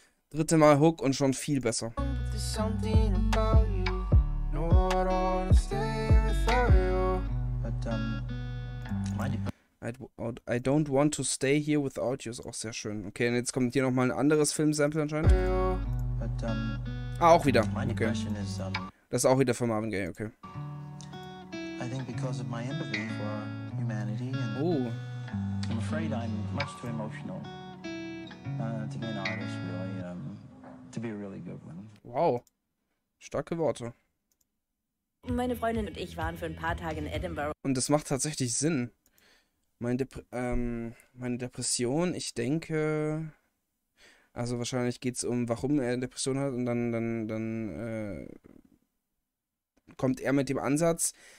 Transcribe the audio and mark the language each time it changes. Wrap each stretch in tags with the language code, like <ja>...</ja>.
<de>Dritte Mal Hook und schon viel besser.</de> <en>I don't want to stay here without you</en> <de>ist auch sehr schön. Okay, und jetzt kommt hier nochmal ein anderes Filmsample anscheinend. Ah, auch wieder. Okay. Das ist auch wieder von Marvin Gaye, okay.</de> <en>I think because of my empathy for humanity and I'm afraid I'm much too emotional to be an artist, really, to be a really good one.</en> <de>Wow, starke Worte. Meine Freundin und ich waren für ein paar Tage in Edinburgh. Und das macht tatsächlich Sinn. Meine Depression, ich denke, also wahrscheinlich geht es um, warum er eine Depression hat und dann kommt er mit dem Ansatz.</de>